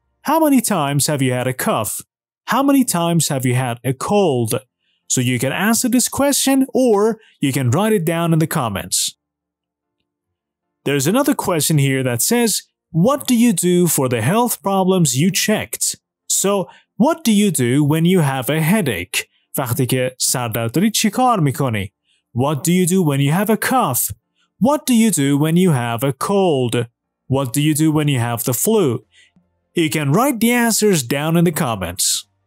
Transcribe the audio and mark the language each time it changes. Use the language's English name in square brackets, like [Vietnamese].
[English] How many times have you had a cough? How many times have you had a cold? So you can answer this question or you can write it down in the comments. There's another question here that says, what do you do for the health problems you checked? So, what do you do when you have a headache? [Persian] وقتی که سردرد داری چی کار میکنی? [English] What do you do when you have a cough? What do you do when you have a cold? What do you do when you have the flu? You can write the answers down in the comments.